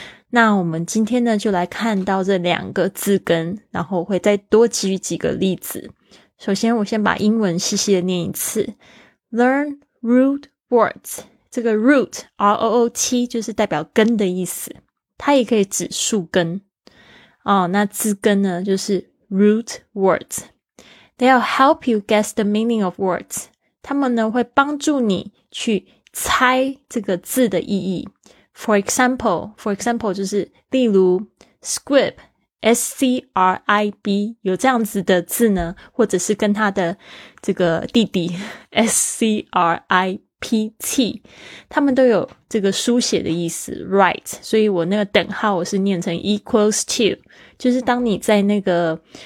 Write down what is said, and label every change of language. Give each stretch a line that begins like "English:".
Chinese: 那我们今天呢就来看到这两个字根，然后我会再多举几个例子。首先我先把英文细细的念一次，
English: Learn root words。
Chinese: 这个 root R-O-O-T 就是代表根的意思，它也可以指树根。哦，那字根呢就是 root words。
English: They'll help you guess the meaning of words.
Chinese: 他们呢会帮助你去猜这个字的意义。
English: For example,
Chinese: 就是例如 squib, S-C-R-I-B, 有这样子的字呢，或者是跟他的这个弟弟 S-C-R-I-P-T, 他们都有这个书写的意思 ,write, 所以我那个等号我是念成
English: equals to,
Chinese: 就是当你在那个